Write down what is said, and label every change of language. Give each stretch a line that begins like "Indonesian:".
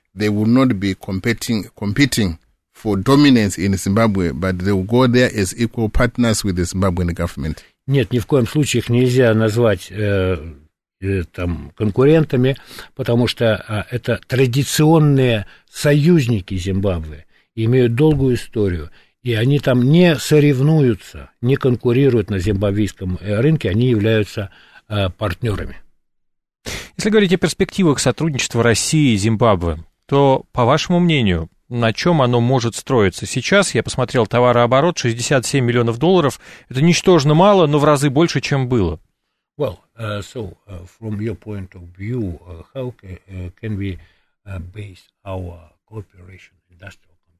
English: They will not be competing for dominance in Zimbabwe, but they will go there as equal partners with the Zimbabwean government.
Russian: Нет, ни в коем случае их нельзя назвать там, конкурентами, потому что это традиционные союзники Зимбабве. Имеют долгую историю, и они там не соревнуются, не конкурируют на зимбабвийском рынке, они являются партнерами. Если говорить о перспективах сотрудничества России и Зимбабве, то, по вашему мнению, на чем оно может строиться? Сейчас я посмотрел товарооборот, 67 миллионов долларов, это ничтожно мало, но в разы больше, чем было.
English: Well, from your point of view, how can we base our cooperation industrial?